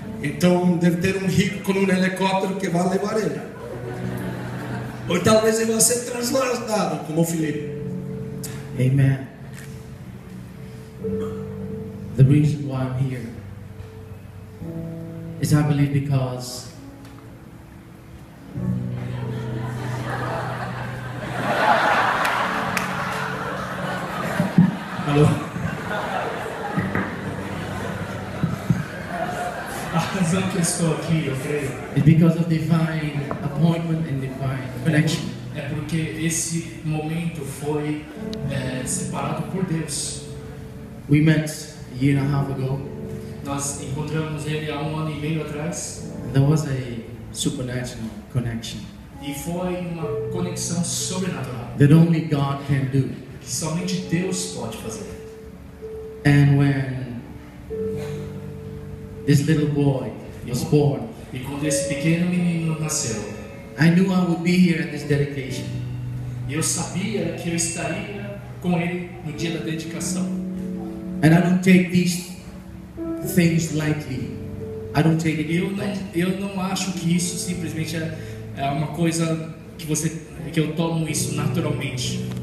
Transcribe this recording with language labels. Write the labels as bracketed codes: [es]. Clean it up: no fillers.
[pt] Então deve ter um rico com um helicóptero que vai levar ele. Ou talvez ele vá ser transladado como filho. [en] Amen. The reason why I'm here is I believe because hello. It's because of divine appointment and divine connection. [pt] É porque esse momento foi separado por Deus. [en] We met a year and a half ago. [pt] Nós encontramos ele há um ano e meio atrás. [en] There was a supernatural connection. [pt] E foi uma conexão sobrenatural. [en] That only God can do. [pt] Que somente Deus pode fazer. [en] And when this little boy was born, [pt] e quando esse pequeno menino nasceu, [en] I knew I would be here at this dedication. [pt] Eu sabia que eu estaria com ele no dia da dedicação. [en] And I don't take these things lightly. I don't take it lightly. [pt] Eu não acho que isso simplesmente é uma coisa que eu tomo isso naturalmente.